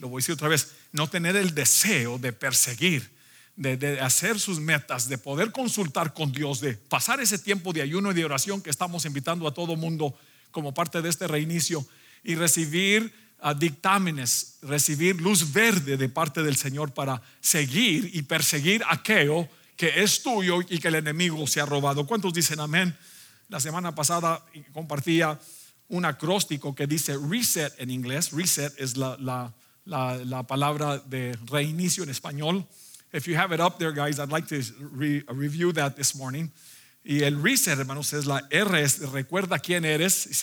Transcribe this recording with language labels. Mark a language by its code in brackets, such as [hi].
[es] Lo voy a decir otra vez: no tener el deseo de perseguir, de hacer sus metas, de poder consultar con Dios, de pasar ese tiempo de ayuno y de oración que estamos invitando a todo mundo como parte de este reinicio, y recibir dictámenes, recibir luz verde de parte del Señor para seguir y perseguir aquello que es tuyo y que el enemigo se ha robado. ¿Cuántos dicen amén? La semana pasada compartía un acróstico que dice reset en inglés. Reset es la palabra de reinicio en español. [en] If you have it up there, guys, I'd like to review that this morning. [es] Y el reset, hermanos, es la R, es recuerda quién eres.